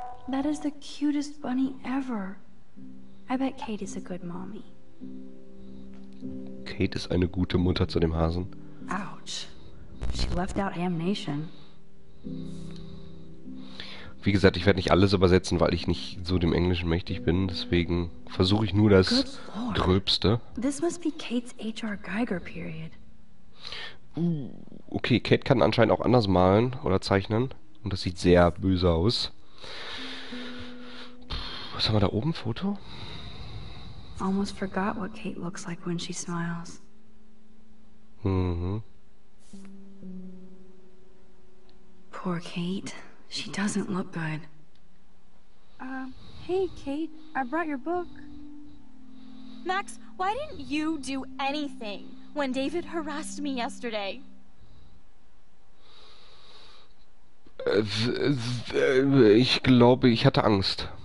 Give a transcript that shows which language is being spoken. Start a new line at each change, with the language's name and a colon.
English: That is the cutest bunny ever. I bet Kate is a good mommy.
German: Kate ist eine gute Mutter zu dem Hasen.
English: Ouch. She left out Amnation.
German: Wie gesagt, ich werde nicht alles übersetzen, weil ich nicht so dem Englischen mächtig bin. Deswegen versuche ich nur das Gröbste.
English: This must be Kate's H.R. Geiger period.
German: Okay, Kate kann anscheinend auch anders malen oder zeichnen. Und das sieht sehr böse aus. Puh, was haben wir da oben? Foto?
English: Almost forgot what Kate looks like when she smiles. Poor Kate. She doesn't look good. Hey, Kate. I brought your book. Max, why didn't you do anything when David harassed me yesterday?
German: Ich glaube, ich hatte Angst.